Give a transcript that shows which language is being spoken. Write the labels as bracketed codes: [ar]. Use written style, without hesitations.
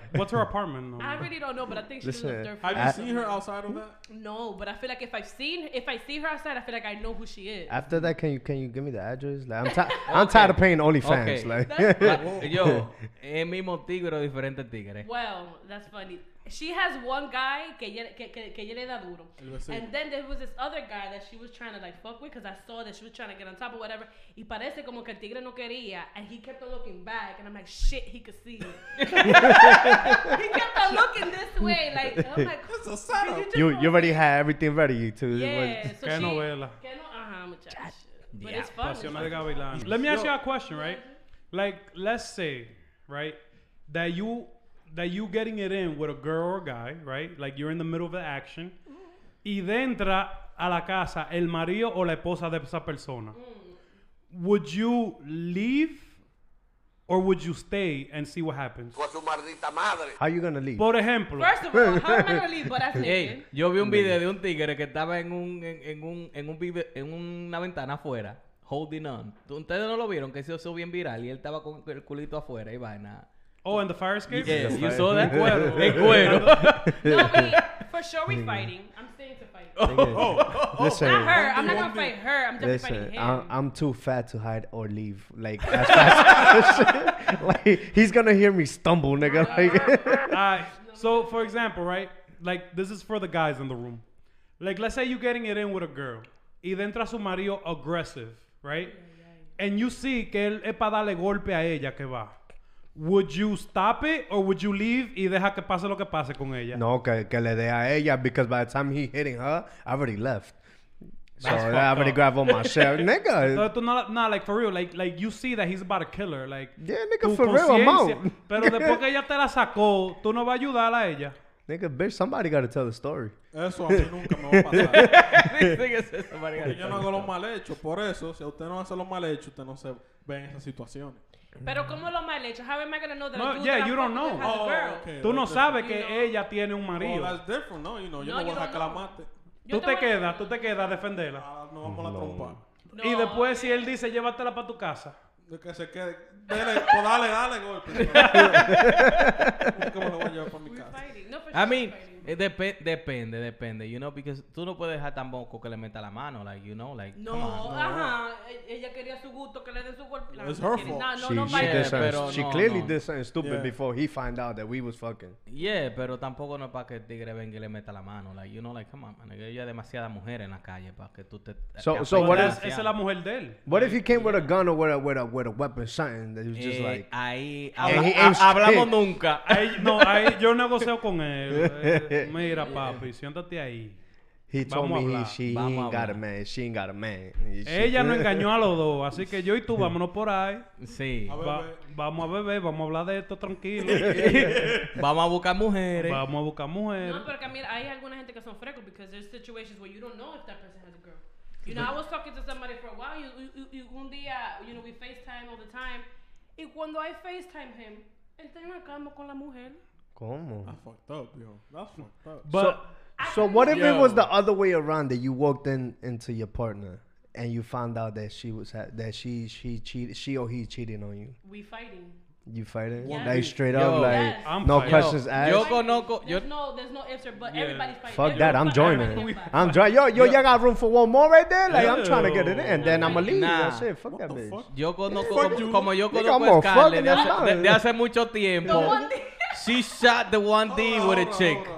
[en] What's her apartment number? I really don't know, but I think she's in the third floor. Have you seen her outside of that? No, but I feel like if I see her outside, I feel like I know who she is. After that, can you give me the address? Like, I'm tired of paying OnlyFans. Okay. Like, [es] yo, el mismo tigre o diferente tigre. [en] Well, that's funny. She has one guy [es] que le da duro. [en] And then there was this other guy that she was trying to like fuck with because I saw that she was trying to get on top of whatever. [es] Y parece como que el tigre no quería. [en] And he kept on looking back. And I'm like, shit, he could see. He kept on looking this way. Like, I'm like, that's a setup. You already had everything ready too. Yeah. [es] Que novela. Que no, muchacha. [en] But it's fun. Let me ask you a question, right? Like, let's say, right, that you getting it in with a girl or a guy, right? Like, you're in the middle of the action. [es] Y entra a la casa el marido o la esposa de esa persona. [en] Would you leave or would you stay and see what happens? How are you going to leave? [es] Por ejemplo. [en] First of all, how am I going to leave? But that's it. [es] Yo vi un video de un tigre que estaba en una ventana afuera, [en] holding on. [es] Ustedes no lo vieron, que se hizo bien viral y él estaba con el culito afuera y vaina. [en] Oh, and the fire escape? Yes, you saw that? [es] En cuero. [en] No, wait. For sure we're fighting. I'm staying to fight. Listen. Not her. I'm not going to fight her. I'm definitely listen, fighting him. I'm too fat to hide or leave. Like, as fast. Like, he's going to hear me stumble, nigga. Like, so, for example, right? Like, this is for the guys in the room. Like, let's say you're getting it in with a girl. [es] Y entra su marido aggressive, right? [en] And you see [es] que él es para darle golpe a ella que va. [en] Would you stop it or would you leave [es] y deja que pase lo que pase con ella? No, que le dé a ella [en] because by the time he hitting her, I already left. So I'm gonna grab on my shit, nigga. No, like for real, like you see that he's about a killer, like. Yeah, nigga, for real, I'm out. [es] Pero después que ella te la sacó, tú no vas a ayudar a ella. [en] Nigga, bitch, somebody gotta tell the story. [es] Eso a mí nunca me va a pasar. Dice que es eso, [en] somebody gotta tell. [es] Yo no hago los mal hechos, por eso, si usted no hace los mal hechos, usted no se ve en esas situaciones. Pero cómo lo mal hecho, [en] how am I gonna know that? No, yeah, you don't know. Oh, okay. [es] Tú no sabes que ella tiene un marido. [en] That's different, no, you know, [es] yo no voy a reclamarte. Tú te quedas a defenderla. No vamos a trompar. Y después, si él dice llévatela para tu casa. De que se quede. Dele, pues dale golpe. ¿Cómo lo voy a llevar para mi casa? I mean, depende, you know, because tú no puedes dejar tampoco que le meta la mano, like, you know, like. No, ajá. Ella quería su gusto, que le dé su golpe. [en] It's her fault. She clearly did something stupid before he find out that we was fucking. [es] Yeah, pero tampoco no es para que el tigre venga y le meta la mano, like, you know, like, [en] come on, man. [es] Ella hay demasiada mujer en la calle para que tú te. [en] So what is. [es] Esa es la mujer de él. [en] What if he came with a gun or with a weapon, something that he was just like. [es] Ahí. Hablamos nunca. No, ahí yo negocio con él. Mira, papi, siéntate ahí. [en] He told me she ain't got a man. [es] Ella no engañó a los dos, así que yo y tú vámonos por ahí. Sí. Vamos a beber, vamos a hablar de esto tranquilo. Vamos a buscar mujeres. No, pero mira, hay alguna gente que son frecos [en] because there's situations where you don't know if that person has a girl. You know, I was talking to somebody for a while. [es] Un día, [en] you know, we FaceTime all the time. [es] Y cuando [en] I FaceTime him, [es] él está en la cama con la mujer. ¿Cómo? [en] That's fucked up, yo. That's fucked up. But so what if it was the other way around, that you walked in into your partner and you found out that she cheated on you? We fighting. You fighting? Yes. Like straight up, yes. Like no questions asked. There's no ifs or buts. Yeah. Everybody's fighting. Fuck that. I'm joining. I'm dry. Yo, you got room for one more right there? Like, I'm trying to get it in. And then I'm going to leave. Nah. That's it. Fuck that bitch. [es] Yo conozco como yo conozco a Scarlett de hace mucho tiempo. [en] She shot the 1D with a chick.